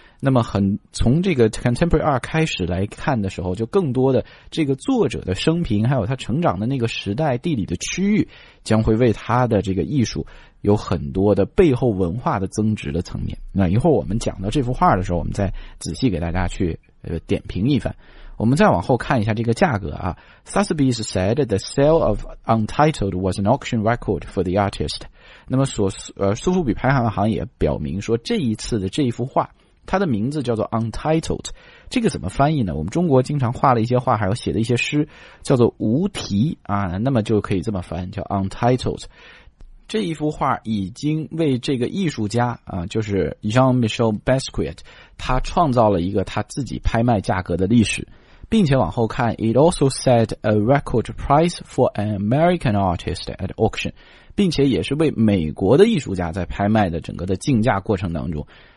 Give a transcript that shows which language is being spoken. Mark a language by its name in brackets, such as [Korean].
[Chinese] 那么很从这个 contemporary art 开始来看的时候就更多的这个作者的生平还有他成长的那个时代地理的区域将会为他的这个艺术有很多的背后文化的增值的层面。那一会儿我们讲到这幅画的时候我们再仔细给大家去点评一番。我们再往后看一下这个价格啊。 [English] Sotheby's said the sale of Untitled was an auction record for the artist. [Chinese] 那么苏富比拍卖行也表明说这一次的这一幅画它的名字叫做 Untitled, 这个怎么翻译呢？我们中国经常画了一些画，还有写的一些诗，叫做无题啊，那么就可以这么翻，叫 Untitled。这一幅画已经为这个艺术家啊，就是 Jean-Michel Basquiat, 他创造了一个他自己拍卖价格的历史，并且往后看 ， [English] It also set a record price for an American artist at auction, [Chinese] 并且也是为美国的艺术家在拍卖的整个的竞价过程当中。